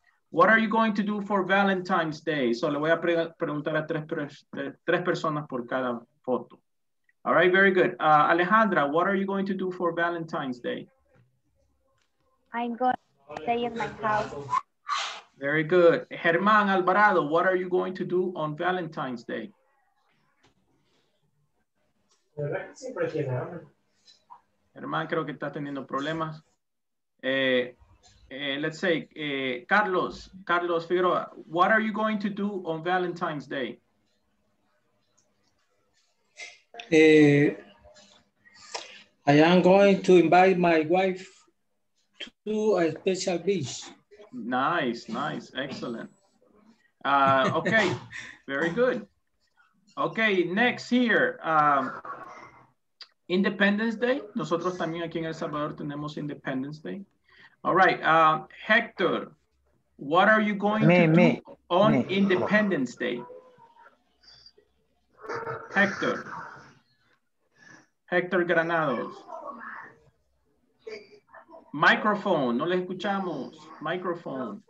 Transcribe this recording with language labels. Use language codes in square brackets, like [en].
[en] What are you going to do for Valentine's Day? [es] So le voy a preguntar a tres personas por cada foto. [en] All right, very good. Alejandra, what are you going to do for Valentine's Day? I'm going to stay in my house. Very good. Germán Alvarado, what are you going to do on Valentine's Day? [es] Germán, creo que está teniendo problemas. [en] Let's say, Carlos Figueroa, what are you going to do on Valentine's Day? I am going to invite my wife to a special beach. Nice, nice, excellent. Okay, very good. Okay, next here. Independence Day. [es] Nosotros también aquí en El Salvador tenemos Independence Day. [en] All right, Hector, what are you going to do on Independence Day? Hector Granados. [es] Microphone, no le escuchamos. Microphone.